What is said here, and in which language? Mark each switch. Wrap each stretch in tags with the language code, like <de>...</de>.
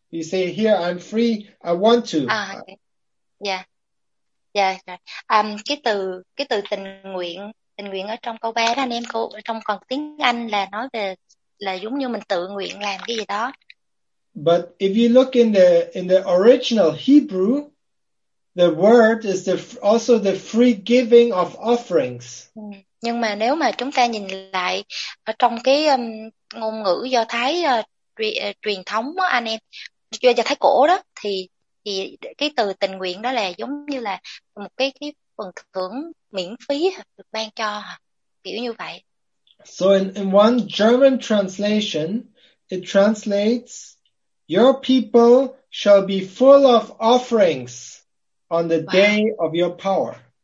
<en>You say, here, I'm free, I want to. Yeah.</en> <vi>Cái từ tình nguyện ở trong câu 3 đó anh em, trong còn tiếng Anh là nói về là giống như mình tự nguyện làm cái gì đó.</vi> <en>But if you look in the original Hebrew, the word is also the free giving of offerings.</en> <vi>Nhưng mà nếu mà chúng ta nhìn lại ở trong cái ngôn ngữ Do Thái truyền thống đó, anh em, Do Thái cổ đó, thì cái từ tình nguyện đó là giống như là một cái phần thưởng miễn phí được ban cho, kiểu như vậy.</vi> <en>So in one German translation, it translates, your people shall be full of offerings on the day of your power.</en>